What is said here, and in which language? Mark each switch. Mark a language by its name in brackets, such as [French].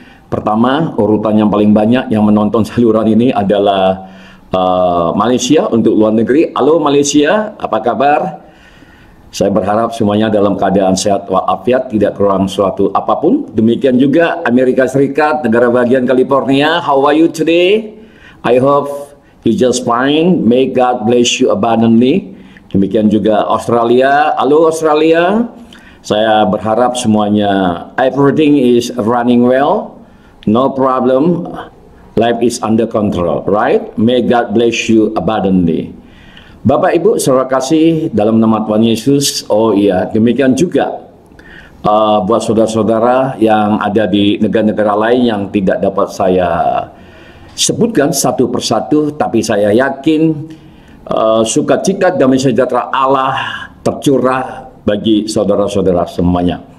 [Indonesian] Pertama, urutan yang paling banyak yang menonton saluran ini adalah Malaysia untuk luar negeri. Halo Malaysia, apa kabar? Saya berharap semuanya dalam keadaan sehat walafiat, tidak kurang suatu apapun. Demikian juga Amerika Serikat, negara bagian California. [English] How are you today? I hope you just fine. May God bless you abundantly. [Indonesian] Demikian juga Australia. Halo Australia. Saya berharap semuanya [English] everything is running well. No problem. Life is under control, right? May God bless you abundantly. [Indonesian] Bapak Ibu, terima kasih dalam nama Tuhan Yesus. Oh iya, demikian juga buat saudara-saudara yang ada di negara-negara lain yang tidak dapat saya sebutkan satu persatu, tapi saya yakin sukacita dan sejahtera Allah tercurah bagi saudara-saudara semuanya.